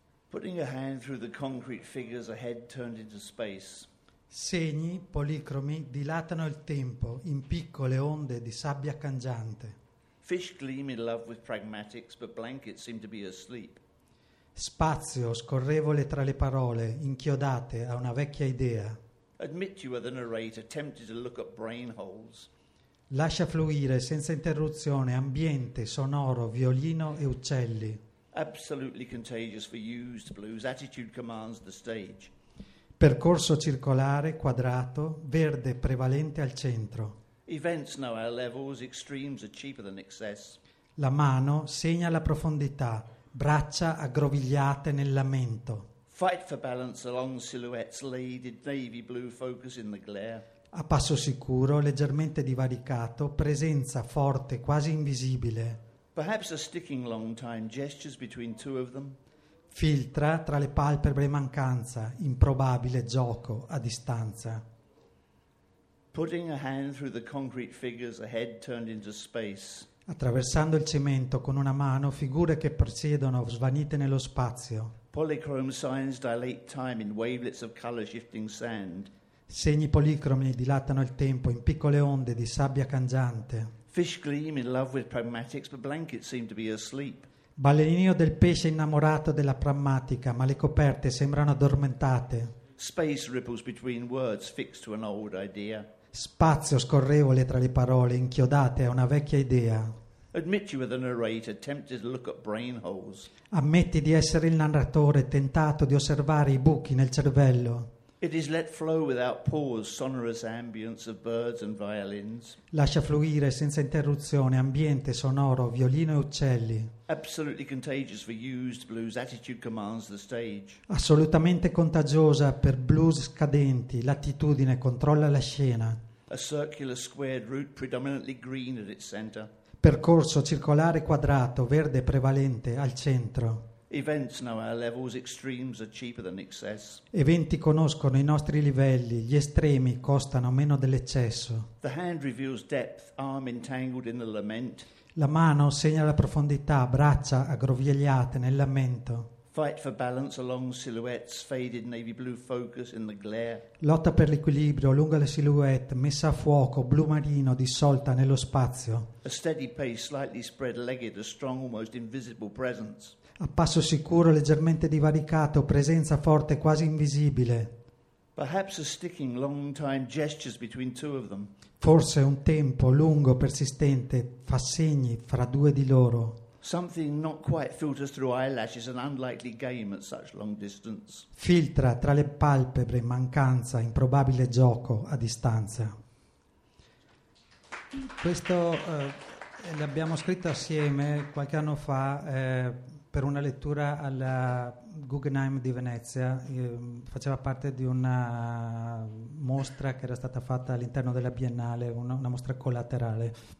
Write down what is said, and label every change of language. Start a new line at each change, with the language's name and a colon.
English: Putting a hand through the concrete figures, a head turned into space.
Italian: Segni policromi dilatano il tempo in piccole onde di sabbia cangiante.
English: Fish gleam in love with pragmatics, but blankets seem to be asleep.
Italian: Spazio scorrevole tra le parole, inchiodate a una vecchia idea.
English: Admit you are the narrator, tempted to look at brain holes.
Italian: Lascia fluire senza interruzione ambiente sonoro, violino e uccelli.
English: Absolutely contagious for used blues. Attitude commands the stage.
Italian: Percorso circolare, quadrato, verde prevalente al centro.
English: Events know our levels. Extremes are cheaper than excess.
Italian: La mano segna la profondità. Braccia aggrovigliate nel lamento.
English: Fight for balance along silhouettes laid in navy blue focus in the glare.
Italian: A passo sicuro, leggermente divaricato, presenza forte, quasi invisibile.
English: Perhaps a sticking long time, gestures between two of them.
Italian: Filtra tra le palpebre mancanza, improbabile gioco a distanza.
English: Putting a hand through the concrete figures, a head turned into space.
Italian: Attraversando il cemento con una mano, figure che procedono svanite nello spazio.
English: Polychrome signs dilate time in wavelets of color shifting sand.
Italian: Segni policromi dilatano il tempo in piccole onde di sabbia cangiante.
English: Fish gleam in love with pragmatics, but blankets seem to be asleep.
Italian: Balenio del pesce innamorato della prammatica, ma le coperte sembrano addormentate.
English: Space ripples between words fixed to an old idea.
Italian: Spazio scorrevole tra le parole, inchiodate a una vecchia idea.
English: Admit you are the narrator, tempted to look at brain holes.
Italian: Ammetti di essere il narratore, tentato di osservare i buchi nel cervello.
English: It is let flow without pause, sonorous ambience of birds and violins.
Italian: Lascia fluire senza interruzione ambiente sonoro, violino e uccelli.
English: Absolutely contagious for used blues, attitude commands the stage.
Italian: Assolutamente contagiosa per blues scadenti, l'attitudine controlla la scena.
English: A circular squared route, predominantly green at its center.
Italian: Percorso circolare quadrato, verde prevalente al centro.
English: Events know our levels, extremes are cheaper than excess.
Italian: Eventi conoscono i nostri livelli, gli estremi costano meno dell'eccesso.
English: The hand reveals depth, arm entangled in the lament.
Italian: La mano segna la profondità, braccia aggrovigliate nel lamento.
English: Fight for balance along silhouettes, faded navy blue focus in the glare.
Italian: Lotta per l'equilibrio lungo la silhouette, messa a fuoco, blu marino dissolta nello spazio.
English: A steady pace, slightly spread legged, a strong, almost invisible presence.
Italian: A passo sicuro, leggermente divaricato, presenza forte, quasi invisibile.
English: Perhaps a sticking long time gestures between two of them.
Italian: Forse un tempo lungo, persistente, fa segni fra due di loro.
English: Something not quite filters through eyelashes, an unlikely game at such long distance.
Italian: Filtra tra le palpebre, mancanza, improbabile gioco a distanza. Questo l'abbiamo scritto assieme qualche anno fa. per una lettura alla Guggenheim di Venezia, faceva parte di una mostra che era stata fatta all'interno della Biennale, una mostra collaterale.